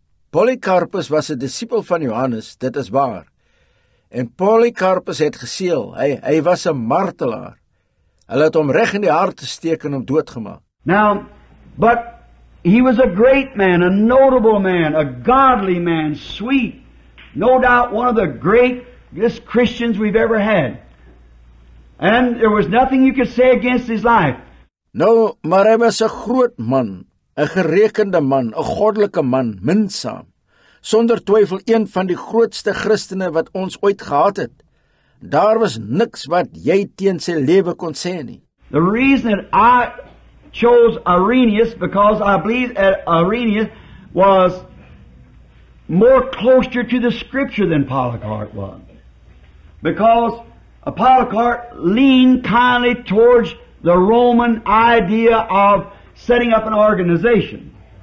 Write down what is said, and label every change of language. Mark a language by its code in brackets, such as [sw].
[af] Polycarpus was een discipel van Johannes, dit is waar. En Polycarpus het geseel, hy was een martelaar. Hy het hom reg in die hart te steek en hom doodgemaak. [en] Now, but he was a great man, a notable man, a godly man, sweet. No doubt one of the greatest Christians we've ever had. And there was nothing you could say against his life. [af] Nou, maar hy was 'n groot man, 'n gerekende man, 'n goddelike man, minsaam. Sonder twyfel een van die grootste Christene wat ons ooit gehad het. Daar was niks wat jy teen sy lewe kon sê nie. [en] The reason that I chose Irenaeus because I believe that Irenaeus was more closer to the scripture than Polycarp was. Because Polycarp leaned kindly towards the Roman idea of setting up an organization.